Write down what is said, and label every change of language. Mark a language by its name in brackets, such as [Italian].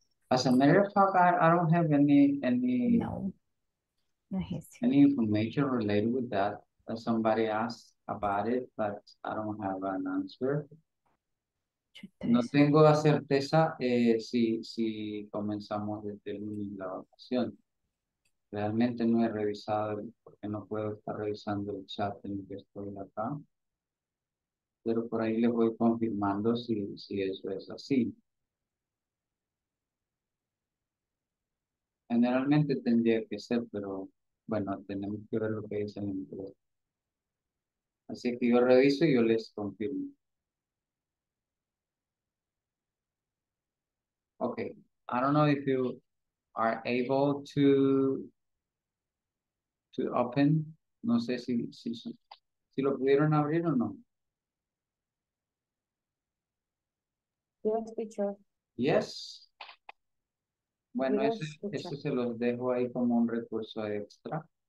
[English] As a matter of fact, I don't have any. No. Any information related with that? That somebody asked about it, but I don't have an answer. [Spanish] No tengo la certeza si comenzamos desde el lunes la vacación. Realmente no he revisado porque no puedo estar revisando el chat en el que estoy acá. Pero por ahí les voy confirmando si eso es así. Generalmente tendría que ser, pero bueno, tenemos que ver lo que dice el inglés. Así que yo reviso y yo les confirmo. [English] Okay, I don't know if you are able to open. [Spanish] No sé si lo pudieron abrir o no. [English] Yes, teacher. Yes. [Spanish] Bueno, eso se los dejo ahí como un recurso extra.